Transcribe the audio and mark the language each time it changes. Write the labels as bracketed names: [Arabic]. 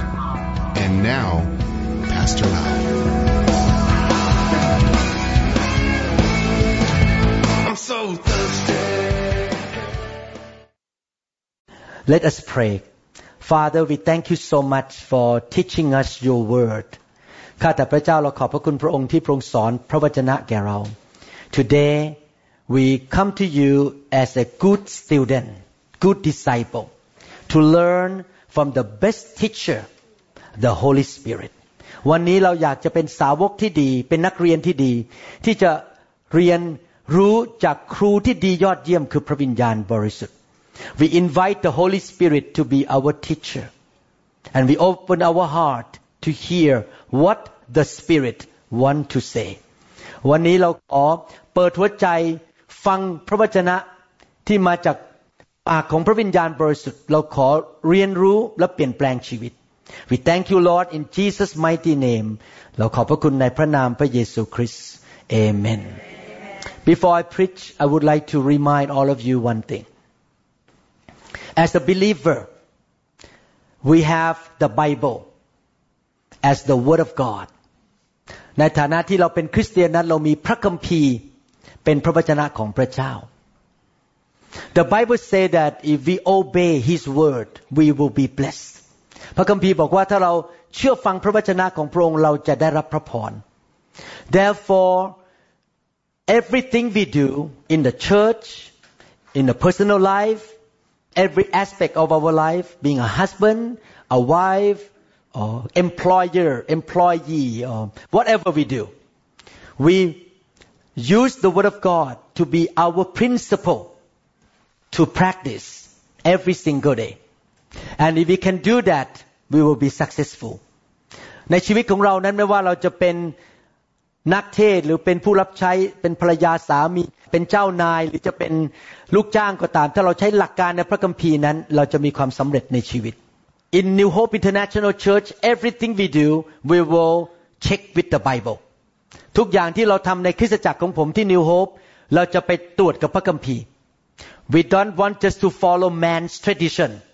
[English] And now, Pastor Lau. I'm so thirsty. Let us pray. Father, we thank you so much for teaching us your word. [Thai] ข้าแต่พระเจ้าเราขอบพระคุณพระองค์ที่ทรงสอนพระวจนะแก่เรา [English] Today we come to you as a good student, good disciple to learn from the best teacher, the Holy Spirit. [Thai] วันนี้เราอยากจะเป็นสาวกที่ดีเป็นนักเรียนที่ดีที่จะเรียนรู้จากครูที่ดียอดเยี่ยมคือพระวิญญาณบริสุทธิ์ [English] We invite the Holy Spirit to be our teacher. And we open our heart to hear what the Spirit wants to say. [Thai] วันนี้เราขอเปิดหัวใจฟังพระวจนะที่มาจากปากของพระวิญญาณบริสุทธิ์เราขอเรียนรู้และเปลี่ยนแปลงชีวิต [English] We thank you, Lord, in Jesus' mighty name. [Thai] เราขอบพระคุณในพระนามพระเยซูคริสต์ Amen. [English] Before I preach, I would like to remind all of you one thing. As a believer, we have the Bible as the Word of God. [Thai] ในฐานะที่เราเป็นคริสเตียนนั้นเรามีพระคัมภีร์เป็นพระวจนะของพระเจ้า [English] The Bible say that if we obey His Word, we will be blessed. [Thai] พระคัมภีร์บอกว่าถ้าเราเชื่อฟังพระวจนะของพระองค์เราจะได้รับพระพร [English] Therefore, everything we do in the church, in the personal lifeEvery aspect of our life, being a husband, a wife, or employer, employee, or whatever we do, we use the Word of God to be our principle to practice every single day. And if we can do that, we will be successful. [Thai] ในชีวิตของเรานั้นไม่ว่าเราจะเป็นนักเทศหรือเป็นผู้รับใช้เป็นภรรยาสามีเป็นเจ้านายหรือจะเป็นลูกจ้างก็ตามถ้าเราใช้หลักการในพระคัมภีร์นั้นเราจะมีความสำเร็จในชีวิต [English] In New Hope International Church everything we do we will check with the Bible [Thai] ทุกอย่างที่เราทำในคริสตจักรของผมที่ New Hope เราจะไปตรวจกับพระคัมภีร์ [English] We don't want just to follow man's tradition